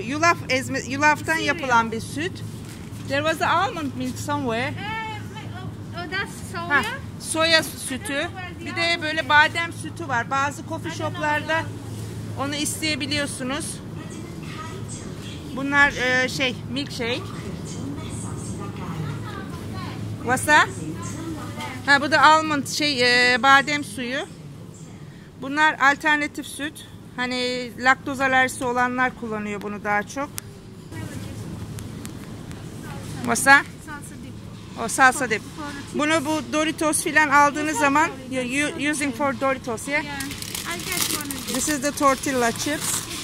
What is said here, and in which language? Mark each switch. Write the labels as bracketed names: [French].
[Turkish] Yulaf ezme yulaftan yapılan bir süt. [English] There was the almond milk somewhere. That's soya. Ha, [Turkish] soya sütü. Bir de böyle badem sütü var. Bazı coffee shoplarda onu isteyebiliyorsunuz. Bunlar şey milkshake. [English] What's that? [Turkish] Ha bu da almond şey badem suyu. Bunlar alternatif süt. Hani laktoz alerjisi olanlar kullanıyor bunu daha çok. Masa? O salsa dip. Bunu bu Doritos filan aldığınız zaman [English] using for Doritos, yeah? This is the tortilla chips.